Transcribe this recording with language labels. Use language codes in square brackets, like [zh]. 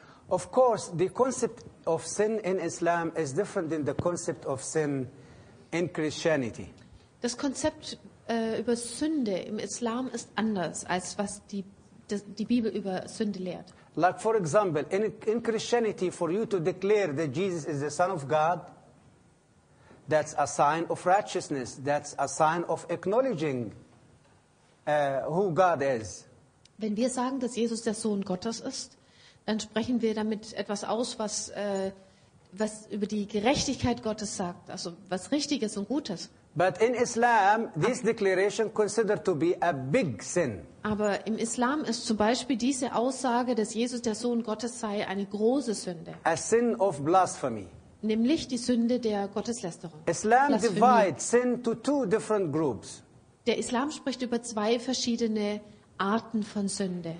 [en] Of course, the concept of sin in Islam is different than the concept of sin in Christianity. [de] Das Konzept über Sünde im Islam ist anders als was die Bibel über Sünde lehrt. [en] Like for example, in Christianity, for you to declare that Jesus is the Son of God, that's a sign of righteousness. That's a sign of acknowledging who God is. [de] Wenn wir sagen, dass Jesus der Sohn Gottes ist, dann sprechen wir damit etwas aus, was über die Gerechtigkeit Gottes sagt, also was Richtiges und Gutes. [en] But in Islam, this declaration considered to be a big sin. [de] Aber im Islam ist zum Beispiel diese Aussage, dass Jesus der Sohn Gottes sei, eine große Sünde. [en] A sin of blasphemy. [de] Nämlich die Sünde der Gotteslästerung. [en] Islam divides sin to two different groups. [de] Der Islam spricht über zwei verschiedene Arten von Sünde.